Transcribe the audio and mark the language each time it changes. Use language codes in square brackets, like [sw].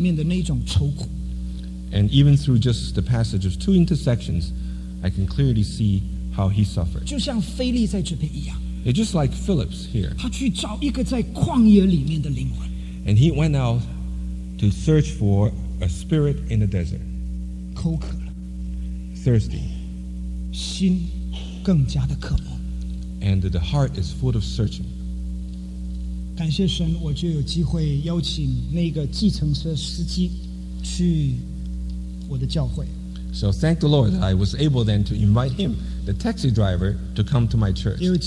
[zh] 两条路里面，我真的就看见了他心里面的那种愁苦。And [en] even through just the passage of two intersections, I can clearly see how he suffered. [zh] 就像腓力在这边一样。 [en] It's just like Phillips here. [zh] 他去找一个在旷野里面的灵魂。 [en] And he went out to search for a spirit in the desert. [zh] 口渴了。 [en] Thirsty. [zh] 心更加的渴慕。 [en] And the heart is full of searching. [zh] 感谢神，我就有机会邀请那个计程车司机去我的教会。 [en] So thank the Lord, I was able then to invite him, the taxi driver, to come to my church.